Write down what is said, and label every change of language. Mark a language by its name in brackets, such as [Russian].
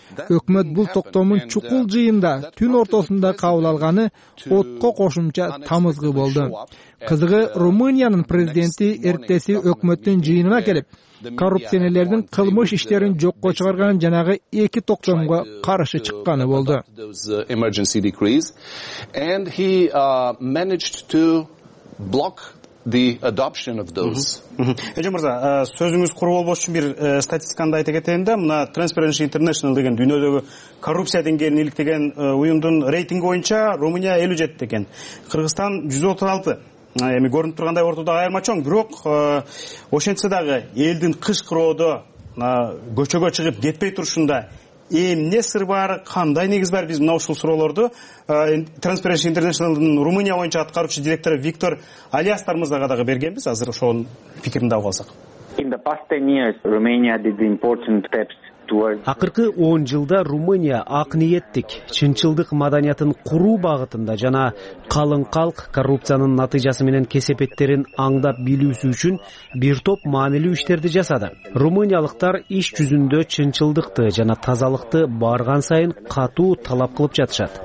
[Kyrgyz] Өкмөт бул токтомун чукул жыйында түн ортосунда кабыл алганы отко кошумча тамызгы болду. Кызыгы, Румыниянын президенти эртеси өкмөттүн жыйынына келип, коррупционерлердин кылмыш иштерин жокко чыгарган жанагы эки токтомго каршы чыкканы болду. [English] And he managed to block the adoption of those. [Kyrgyz] Эже мырза, сөзүңүз куру болбош үчүн бир статистиканы айта кетейин да, мына Transparency International деген дүйнөдөгү коррупция деңгээлин иликтеген уюмдун рейтинги боюнча Румыния 57 экен, Кыргызстан 136. Эми көрүнүп тургандай ортодо айырма чоң, бирок ошентсе дагы элдин кышкыроодо көчөгө чыгып кетпей турушунда эмне сыр бар, кандай негиз бар? Биз мына ушул суроолорду Transparency International'ın Румыния боюнча аткаруучу директору Виктор Алиастарымызга дагы бергенбиз. Азыр ошонун пикиринде алсак. [English] In the past 10 years, Romania did important steps. [Kyrgyz] Акыркы 10 жылда Румыния ак ниеттик, чынчылдык маданиятын куруу багытында жана калың калк коррупциянын натыйжасы менен кесепеттерин аңдап билүүсү үчүн бир топ маанилүү иштерди жасады. Румыниялыктар иш жүзүндө чынчылдыкты жана тазалыкты барган сайын катуу талап кылып жатышат.